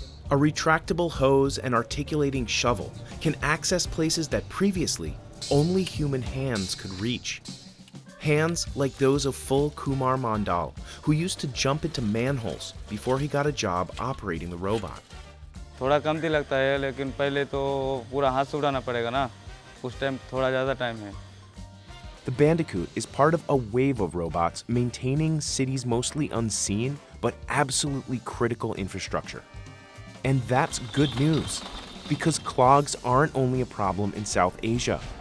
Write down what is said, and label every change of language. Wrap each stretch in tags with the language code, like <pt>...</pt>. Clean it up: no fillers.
<en>A retractable hose and articulating shovel can access places that previously only human hands could reach. Hands like those of Full Kumar Mandal, who used to jump into manholes before he got a job operating the robot.</en> <hi>थोड़ा कम तो लगता है लेकिन पहले तो पूरा हाथ से उड़ाना पड़ेगा ना उस टाइम थोड़ा ज्यादा टाइम है.</hi> <en>The Bandicoot is part of a wave of robots maintaining cities mostly unseen but absolutely critical infrastructure. And that's good news, because clogs aren't only a problem in South Asia.</en>